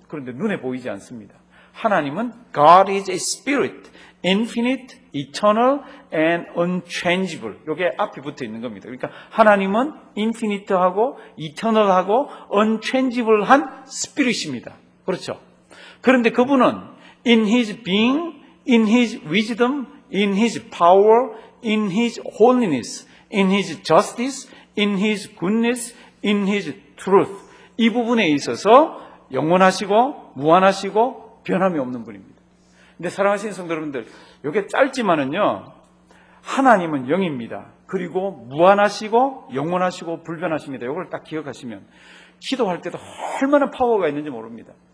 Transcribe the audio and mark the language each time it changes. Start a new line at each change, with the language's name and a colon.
Korean: 그런데 눈에 보이지 않습니다. 하나님은
English: God is a spirit, infinite, eternal, and unchangeable.
Korean: 이게 앞에 붙어 있는 겁니다. 그러니까 하나님은 infinite하고 eternal하고 unchangeable한 spirit입니다. 그렇죠? 그런데 그분은
English: in his being, in his wisdom, in his power, in his holiness, in his justice, in his goodness, in his truth.
Korean: 이 부분에 있어서 영원하시고 무한하시고 변함이 없는 분입니다. 근데 사랑하시는 성도 여러분들, 이게 짧지만은요, 하나님은 영입니다. 그리고 무한하시고 영원하시고 불변하십니다. 이걸 딱 기억하시면 기도할 때도 얼마나 파워가 있는지 모릅니다.